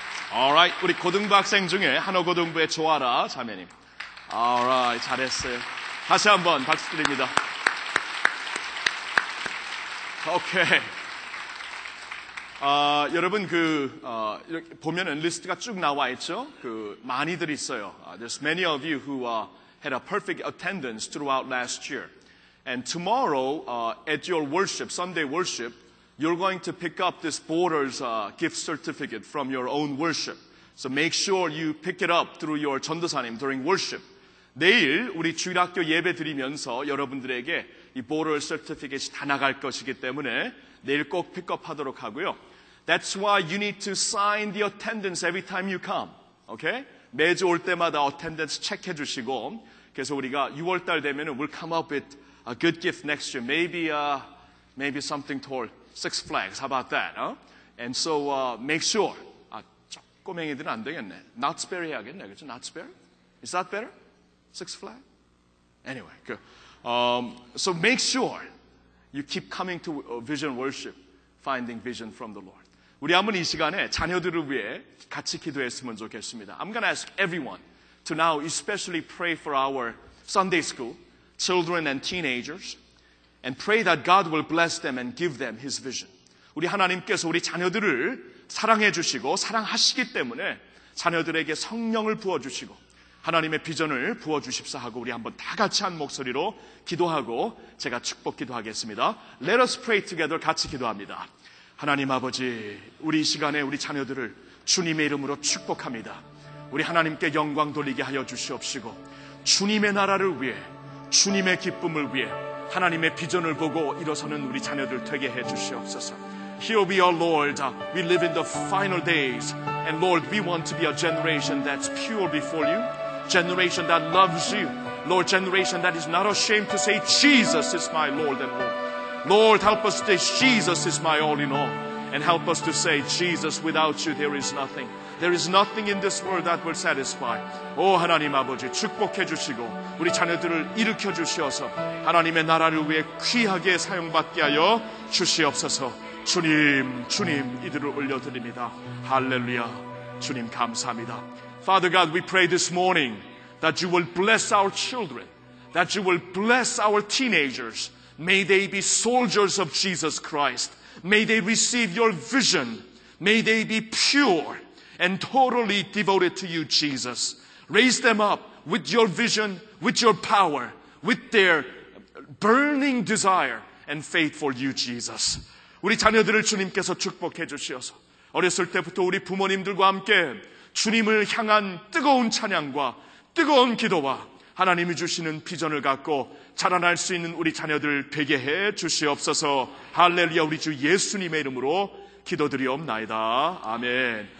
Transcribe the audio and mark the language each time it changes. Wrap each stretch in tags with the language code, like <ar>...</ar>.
<ko>Alright, 우리 고등부 학생 중에 한어고등부의 조아라 자매님. Alright, 잘했어요. 다시 한번 박수 드립니다.</ko> <en>Okay.</en> <ko>여러분 그 이렇게 보면은 리스트가 쭉 나와 있죠. 그 많이들 있어요.</ko> <en>There's many of you who had a perfect attendance throughout last year. And tomorrow at your worship, Sunday worship, you're going to pick up this Borders gift certificate from your own worship. So make sure you pick it up through your 전도사님 during worship.</en> <ko>내일 우리 주일학교 예배 드리면서 여러분들에게 이 Borders Certificate이 다 나갈 것이기 때문에 내일 꼭 픽업하도록 하고요.</ko> <en>That's why you need to sign the attendance every time you come. Okay?</en> <ko>매주 올 때마다 attendance 체크해 주시고 그래서 우리가 6월 달 되면</ko> <en>we'll come up with a good gift next year. Maybe something toward Six Flags. How about that? Huh? And so make sure.</en> <ko>꼬맹이들은 안 되겠네.</ko> <en>Knott's Berry</en> <ko>해야겠네. 그렇죠?</ko> <en>Knott's Berry? Is that better? Six flag? Anyway, good. So make sure you keep coming to vision worship, finding vision from the Lord.</en> <ko>우리 한번 이 시간에 자녀들을 위해 같이 기도했으면 좋겠습니다.</ko> <en>I'm going to ask everyone to now especially pray for our Sunday school, children and teenagers, and pray that God will bless them and give them his vision.</en> <ko>우리 하나님께서 우리 자녀들을 사랑해 주시고 사랑하시기 때문에 자녀들에게 성령을 부어주시고 하나님의 비전을 부어주십사 하고 우리 한번 다 같이 한 목소리로 기도하고 제가 축복 기도하겠습니다.</ko> <en>Let us pray together.</en> <ko>같이 기도합니다. 하나님 아버지, 우리 이 시간에 우리 자녀들을 주님의 이름으로 축복합니다. 우리 하나님께 영광 돌리게 하여 주시옵시고 주님의 나라를 위해, 주님의 기쁨을 위해 하나님의 비전을 보고 일어서는 우리 자녀들 되게 해주시옵소서.</ko> <en>Here we are, Lord. We live in the final days. And Lord, we want to be a generation that's pure before you. Generation that loves you. Lord, generation that is not ashamed to say, Jesus is my Lord and Lord. Lord, help us say, Jesus is my all in all. And help us to say, Jesus, without you, there is nothing. There is nothing in this world that will satisfy.</en> <ko>Oh, 하나님 아버지, 축복해 주시고 우리 자녀들을 일으켜 주시어서 하나님의 나라를 위해 귀하게 사용받게 하여 주시옵소서. 주님, 주님, 이들을 올려드립니다. 할렐루야. 주님, 감사합니다.</ko> <en>Father God, we pray this morning that you will bless our children, that you will bless our teenagers. May they be soldiers of Jesus Christ. May they receive your vision. May they be pure and totally devoted to you, Jesus. Raise them up with your vision, with your power, with their burning desire and faith for you, Jesus.</en> <ko>우리 자녀들을 주님께서 축복해 주시어서 어렸을 때부터 우리 부모님들과 함께 주님을 향한 뜨거운 찬양과 뜨거운 기도와 하나님이 주시는 비전을 갖고 자라날 수 있는 우리 자녀들 되게 해 주시옵소서. 할렐루야. 우리 주 예수님의 이름으로 기도드리옵나이다. 아멘.</ko>